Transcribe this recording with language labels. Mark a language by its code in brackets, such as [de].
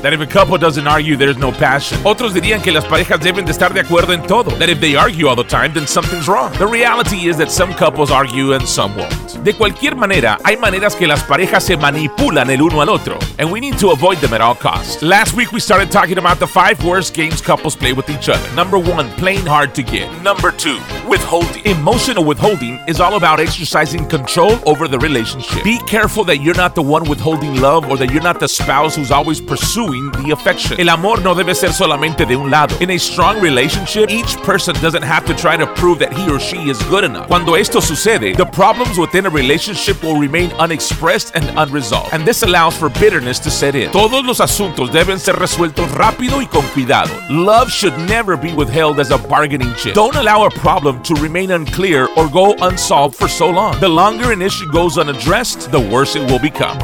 [en] That if a couple doesn't argue, there's no passion. [es] Otros dirían que las parejas deben de estar de acuerdo en todo. [en] That if they argue all the time, then something's wrong. The reality is that some couples argue and some won't. [es] De cualquier manera, hay maneras que las parejas se manipulan el uno al otro. [en] And we need to avoid them at all costs. Last week, we started talking about the five worst games couples play with each other. Number one, playing hard to get. Number two, withholding. Emotional withholding is all about exercising control over the relationship. Be careful that you're not the one withholding love or that you're not the spouse who's always pursuing the affection. [es] El amor no debe ser solamente de un lado. [en] In a strong relationship, each person doesn't have to try to prove that he or she is good enough. [es] Cuando esto sucede, [en] the problems within a relationship will remain unexpressed and unresolved. And this allows for bitterness to set in. [es] Todos los asuntos deben ser resueltos rápido y con cuidado. [en] Love should never be withheld as a bargaining chip. Don't allow a problem to remain unclear or go unsolved for so long. The longer an issue goes unaddressed, the worse it will become.